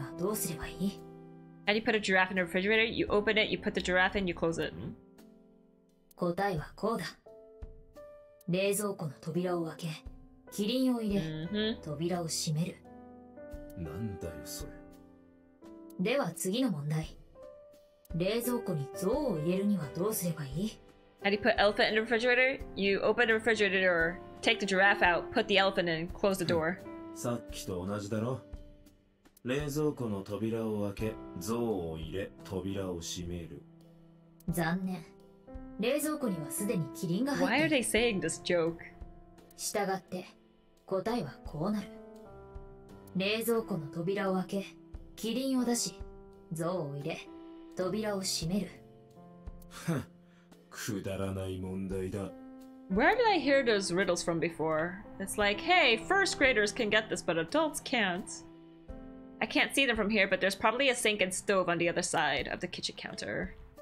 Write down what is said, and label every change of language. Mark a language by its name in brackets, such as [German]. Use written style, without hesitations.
[English] And you put a giraffe in a refrigerator, you open it, you put the giraffe in, you close it. [Japanese] 答えはこうだ。冷蔵庫の扉を開け、キリンを入れ、扉を閉める。なんだよそれ。では次の問題。冷蔵庫に象を入れるにはどうすればいい？ [English] How do you put elephant in the refrigerator? You open the refrigerator, take the giraffe out, put the elephant in, close the door. [Japanese] さっきと同じだろ。冷蔵庫の扉を開け、象を入れ、扉を閉める。残念。冷蔵庫にはすでにキリンが入っている。 [English] Why are they saying this joke? [Japanese] 従って、答えはこうなる。冷蔵庫の扉を開け、キリンを出し、象を入れ、扉を閉める。くだらない問題だ。 [English] Where did I hear those riddles from before? It's like, hey, first graders can get this, but adults can't. I can't see them from here, but there's probably a sink and stove on the other side of the kitchen counter.